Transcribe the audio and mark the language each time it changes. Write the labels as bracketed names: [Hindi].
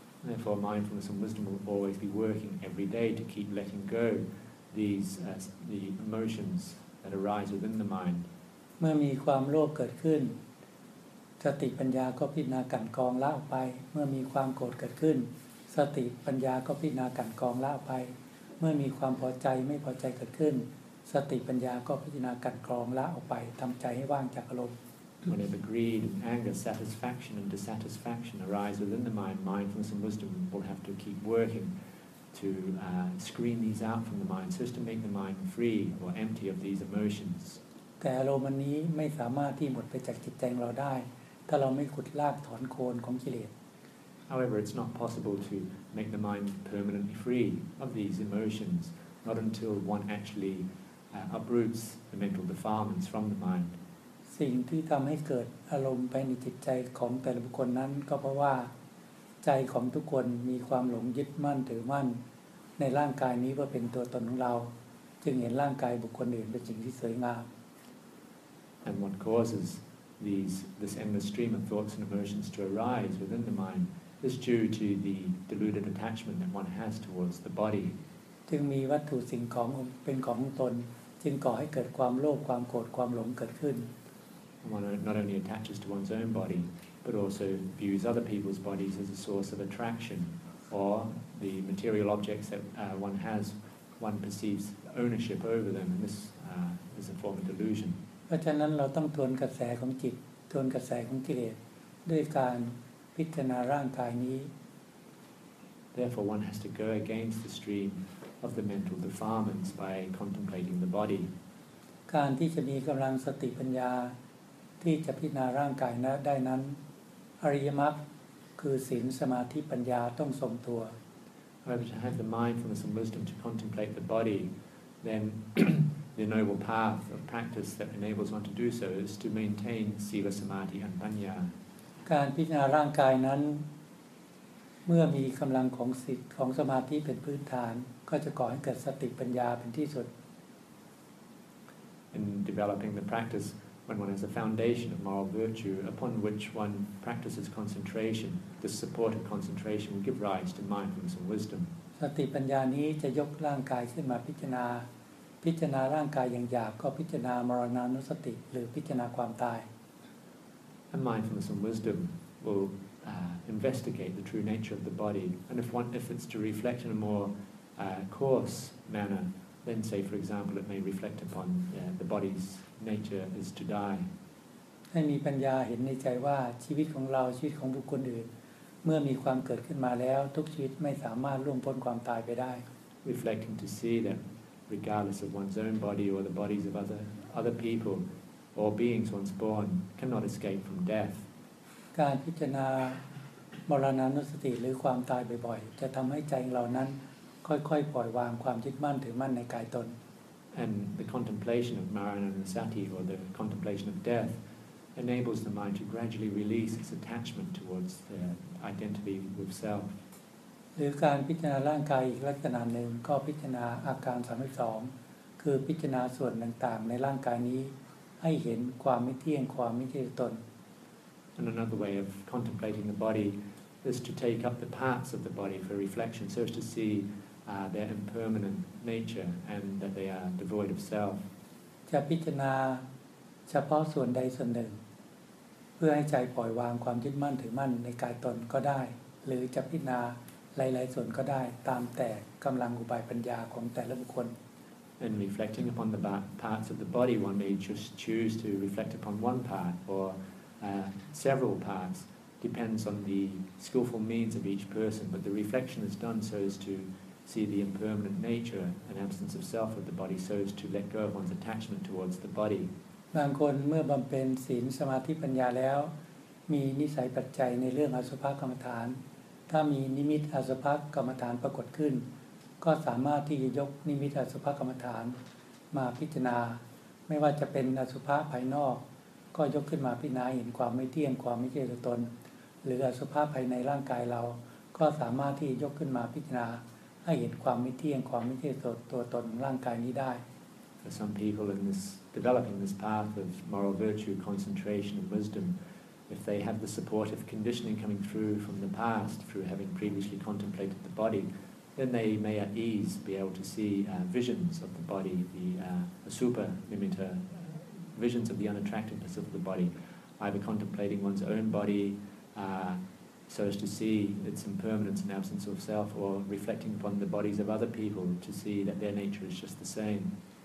[English] Therefore, mindfulness and wisdom will always be working every day to keep letting go these the emotions that arise within the mind. [Thai] เมื่อมีความโลภเกิดขึ้นสติปัญญาก็พิจารณากันกองละไปเมื่อมีความโกรธเกิดขึ้นสติปัญญาก็พิจารณากันกองละไปเมื่อมีความพอใจไม่พอใจเกิดขึ้นสติปัญญาก็พิจารณากันกองละออกไปทำใจให้ว่างจากอารมณ์ [English] Whenever greed, anger, satisfaction and dissatisfaction arise within the mind, mindfulness and wisdom will have to keep working to screen these out from the mind so as to make the mind free or empty of these emotions [Thai] แต่อารมณ์นี้ไม่สามารถที่หมดไปจากจิตใจเราได้ถ้าเราไม่ขุดรากถอนโคนของกิเลส [English] However it's not possible to make the mind permanently free of these emotions not until one actually uproots the mental defilements from the mind [Thai] สิ่งที่ทำให้เกิดอารมณ์ภายในจิตใจของแต่ละบุคคลนั้นก็เพราะว่าใจของทุกคนมีความหลงยึดมั่นถือมั่นในร่างกายนี้ว่าเป็นตัวตนของเราจึงเห็นร่างกายบุคคลอื่นเป็นสิ่งที่สวยงาม [English] And what causesThis endless stream of thoughts and emotions to arise within the mind is due to the deluded attachment that one has towards the body. [Thai] จึงมีวัตถุสิ่งของเป็นของตนจึงก่อให้เกิดความโลภความโกรธความหลงเกิดขึ้น [English] One not only attaches to one's own body, but also views other people's bodies as a source of attraction, or the material objects that one has, one perceives ownership over them, and this is a form of delusion. [Thai] เพราะฉะนั้นเราต้องทวนกระแสของจิตทวนกระแสของกิเลสด้วยการพิจารณาร่างกายนี้ [English] Therefore one has to go against the stream of the mental defilements by contemplating the body [Thai] การที่จะมีกำลังสติปัญญาที่จะพิจารณาร่างกายนั้นได้นั้นอริยมรรคคือศีลสมาธิปัญญาต้องสมตัว [English] However to have the mindfulness and wisdom to contemplate the body thenThe noble path of practice that enables one to do so is to maintain sila samadhi and panya. [Thai] การพิจารณาร่างกายนั้นเมื่อมีกำลังของสิทธิ์ของสมาธิเป็นพื้นฐานก็จะก่อให้เกิดสติปัญญาเป็นที่สุด [English] In developing the practice, when one has a foundation of moral virtue upon which one practices concentration, the support of concentration will give rise to mindfulness and wisdom. [Thai] สติปัญญานี้จะยกร่างกายขึ้นมาพิจารณาพิจารณาร่างกายอย่างหยาบก็พิจารณามรณานุสติหรือพิจารณาความตาย [English] And mindfulness and wisdom will investigate the true nature of the body and if it's to reflect in a more coarse manner then say for example it may reflect upon the body's nature is to die [Thai] ให้มีปัญญาเห็นในใจว่าชีวิตของเราชีวิตของบุคคลอื่นเมื่อมีความเกิดขึ้นมาแล้วทุกชีวิตไม่สามารถล่วงพ้นความตายไปได้ [English] reflecting to see that regardless of one's own body or the bodies of other people or beings once born cannot escape from death [Thai] การพิจารณามรณานุสติหรือความตายบ่อยๆจะทำให้ใจเรานั้นค่อยๆปล่อยวางความยึดมั่นถือมั่นในกายตน [English] and the contemplation of maranasati or the contemplation of deathenables the mind to gradually release its attachment towards the identity with self [Thai] หรือการพิจารณาร่างกายอีกลักษณะหนึ่งก็พิจารณาอาการ32คือพิจารณาส่วนต่างๆในร่างกายนี้ให้เห็นความไม่เที่ยงความไม่ใช่ตน [English] And another way of contemplating the body is to take up the parts of the body for reflection so as to see their impermanent nature and that they are devoid of self [Thai] จะพิจารณาเฉพาะส่วนใดส่วนหนึ่งเพื่อให้ใจปล่อยวางความยึดมั่นถือมั่นในกายตนก็ได้หรือจะพิจารณาหลายๆส่วนก็ได้ตามแต่กำลังอุบายปัญญาของแต่ละบุคคล [English] And reflecting upon the parts of the body one may just choose to reflect upon one part or several parts depends on the skillful means of each person but the reflection is done so as to see the impermanent nature and absence of self of the body so as to let go of one's attachment towards the body [Thai] บางคนเมื่อบำเพ็ญศีลสมาธิปัญญาแล้วมีนิสัยปัจจัยในเรื่องอสุภกรรมฐานถ้ามีนิมิตอสุภกรรมฐานปรากฏขึ้นก็สามารถที่จะยกนิมิตอสุภกรรมฐานมาพิจารณาไม่ว่าจะเป็นอสุภะภายนอกก็ยกขึ้นมาพิจารณาเห็นความไม่เที่ยงความไม่ใช่ตนหรืออสุภะภายในร่างกายเราก็สามารถที่จะยกขึ้นมาพิจารณาให้เห็นความไม่เที่ยงความไม่ใช่ตัวตนร่างกายนี้ได้ [English] Some people in this developing this path of moral virtue, concentration, and wisdom, if they have the supportive conditioning coming through from the past, through having previously contemplated the body, then they may at ease be able to see visions of the body, the asupa nimitta, visions of the unattractiveness of the body, either contemplating one's own body so as to see its impermanence and absence of self, or reflecting upon the bodies of other people to see that their nature is just the same.